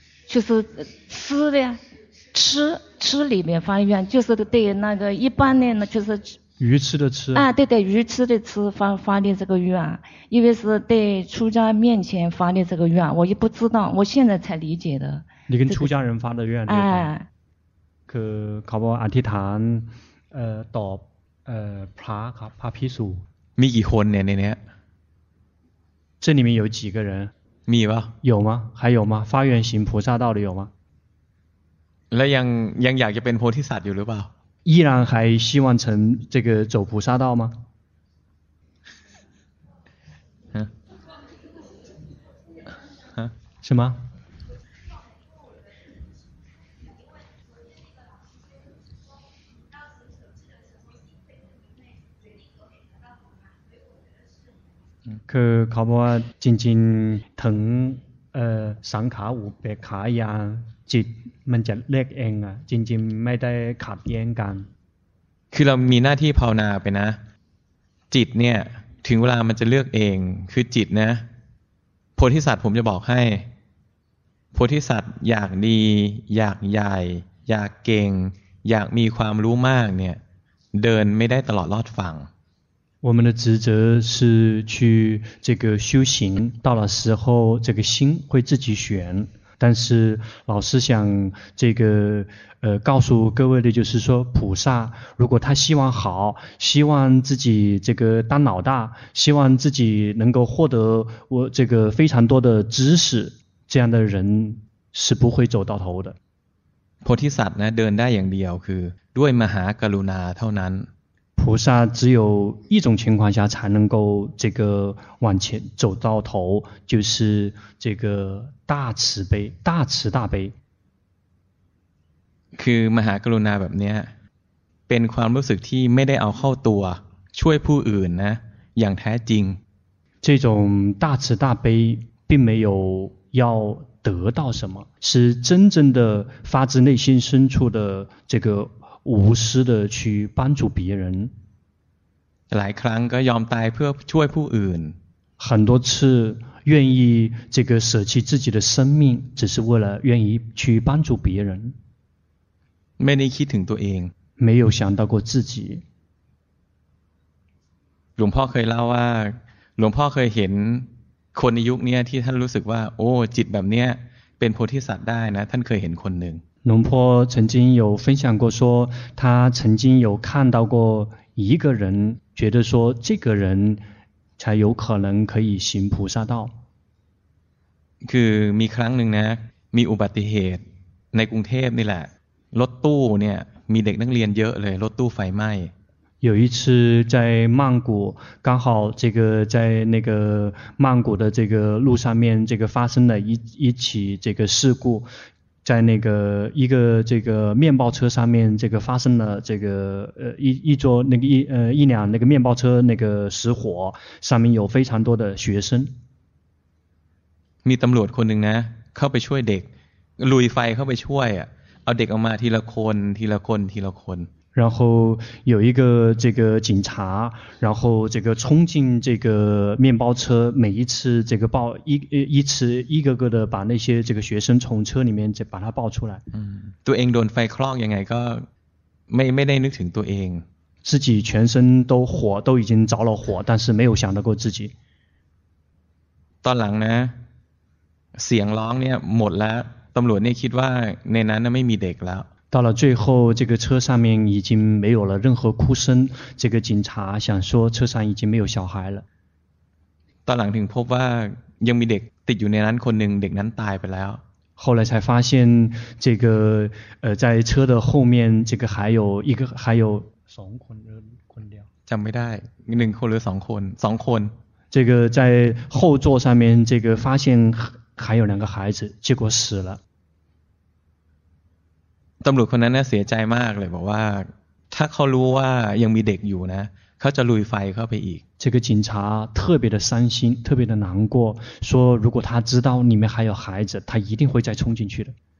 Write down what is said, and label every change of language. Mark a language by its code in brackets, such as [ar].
[zh] 就是吃的呀。吃里面发愿就是对那个一般的呢就是鱼吃的吃啊对对鱼吃的吃发的这个愿因为是对出家面前发的这个愿我也不知道我现在才理解的你跟出家人发的愿、这个、对吧 [th] คำว่าอธิษฐานตอบพระครับพระภิกษุ มีกี่คนเนี่ยในนี้ [zh] 这里面有几个人 [th] มีป่ะ [zh] 有吗还有吗发愿行菩萨道的有吗 [th] และยังอยากจะเป็นโพธิสัตว์อยู่หรือเปล่า [zh] 依然还希望成这个走菩萨道吗 ฮะ [th] ฮะใช่ไหมคือเขาบอกว่าจริงๆถึงสังขารอุปขายาจิตมันจะเลิกเองอ่ะจริงๆไม่ได้ขัดแย้งกัน คือเรามีหน้าที่ภาวนาไปนะจิตเนี่ยถึงเวลามันจะเลือกเองคือจิตนะโพธิสัตว์ผมจะบอกใ 菩提萨อยากดีอยากใหญ่อยากเก่งอยากมีความรู้มากเนี่ยเดินไม่ได้ตลอดรอดฝั่ง [zh] 我们的职责是去这个修行，到了时候这个心会自己选。但是老师想这个告诉各位的就是说，菩萨如果他希望好，希望自己这个当老大，希望自己能够获得我这个非常多的知识，这样的人是不会走到头的。 [th] 菩提萨呢，เดินได้อย่างเดียวคือด้วยมหากรุณาเท่านั้น。 [zh] 菩萨只有一种情况下才能够这个往前走到头，就是这个大慈悲，大慈大悲。 [th] คือมหากรุณาแบบเนี้ยเป็นความรู้สึกที่ไม่ได้เอาเข้าตัวช่วยผู้อื่นนะอย่างแท้จริง。 [zh] 这种大慈大悲并没有要得到什么，是真正的发自内心深处的这个无私的去帮助别人。 [th] หลายครั้งก็ยอมตายเพื่อช่วยผู้อื่น。 [zh] 很多次愿意这个舍弃自己的生命，只是为了愿意去帮助别人。 [th] ไม่ได้คิดถึงตัวเอง。 [zh] 没有想到过自己。 [th] หลวงพ่อเคยเล่าว่าหลวงพ่อเคยเห็นคนในยุคนี้ที่ท่านรู้สึกว่าโอ้จิตแบบนี้เป็นโพธิสัตว์ได้นะท่านเคยเห็นคนหนึ่ง。 [zh] 龙坡曾经有分享过说他曾经有看到过一个人觉得说这个人才有可能可以行菩萨道。 [th] คือมีครั้งหนึ่งนะมีอุบัติเหตุในกรุงเทพนี่แหละรถตู้เนี่ยมีเด็กนักเรียนเยอะเลยรถตู้ไฟไหม [zh] 有一次在曼谷，刚好这个在那个曼谷的这个路上面，这个发生了一起这个事故，在那个一个这个面包车上面，这个发生了这个一座那个一辆那个面包车那个失火，上面有非常多的学生。 [th] มีตำรวจคนหนึ่งนะเข้าไปช่วยเด็กลุยไฟเข้าไปช่วยอ่ะเอาเด็กออกมาทีละคนทีละคนทีละคน [zh] 然后有一个这个警察，然后这个冲进这个面包车，每一次这个抱一次一个个的把那些这个学生从车里面再把他抱出来。 [th] 嗯，ตัวเองโดนไฟคลอกยังไงก็ไม่ได้นึกถึงตัวเอง。 [zh] 自己全身都火，都已经着了火，但是没有想到过自己。 [th] ตอนหลังนะเสียงร้องเนี่ยหมดแล้วตำรวจเนี่ยคิดว่าในนั้นไม่มีเด็กแล้ว。 [zh] 到了最后，这个车上面已经没有了任何哭声。这个警察想说，车上已经没有小孩了。 [th] ตอนหลังถึงพบว่ายังมีเด็กติดอยู่ในนั้นคนหนึ่งเด็กนั้นตายไปแล้ว。 [zh] 后来才发现，这个在车的后面，这个还有一个还有 [th] 2คนหรือคนเดียว。 จำไม่ได้1คนหรือ2คน2คน。 [zh] 这个在后座上面，这个发现还有两个孩子，结果死了。 [th] ตำรวจคนนั้นน่ะเสียใจมากเลยบอกว่าถ้าเขารู้ว่ายังมีเด็กอยู่นะเขาจะลุยไฟเข้าไปอีก [zh] 这个警察特别的伤心特别的难过说如果他知道里面还有孩子他一定会再冲进去的